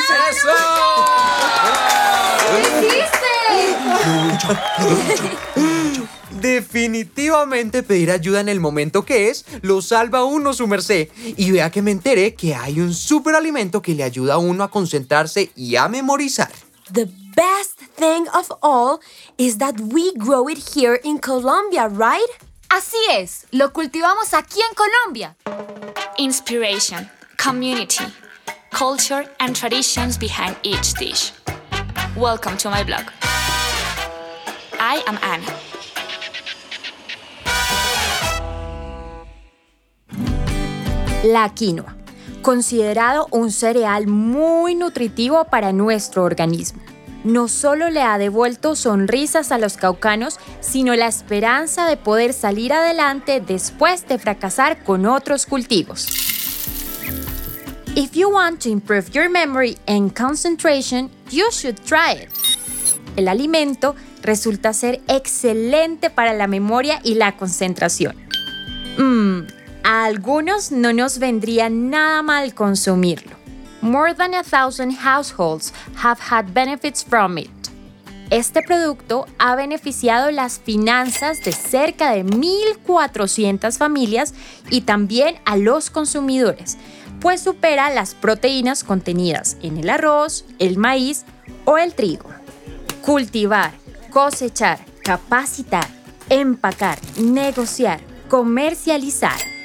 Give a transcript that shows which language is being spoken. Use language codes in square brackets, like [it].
[es] ¡Bravo! ¡Eso! ¡Lo hiciste! Definitivamente pedir ayuda en el momento que es lo salva a uno, su merced. Y vea que me enteré que hay un superalimento que le ayuda a uno a concentrarse y a memorizar. [en] The best thing of all is that we grow it here in Colombia, right? [es] Así es, lo cultivamos aquí en Colombia. [en] Inspiration, community, culture and traditions behind each dish. Welcome to my blog. I am Anna. [es] La quinoa, considerado un cereal muy nutritivo para nuestro organismo. No solo le ha devuelto sonrisas a los caucanos, sino la esperanza de poder salir adelante después de fracasar con otros cultivos. [en] If you want to improve your memory and concentration, you should try it. [es] El alimento resulta ser excelente para la memoria y la concentración. A algunos no nos vendría nada mal consumirlo. [en] More than 1,000 households have had benefits from it. [es] Este producto ha beneficiado las finanzas de cerca de 1,400 familias y también a los consumidores, pues supera las proteínas contenidas en el arroz, el maíz o el trigo. Cultivar, cosechar, capacitar, empacar, negociar, comercializar.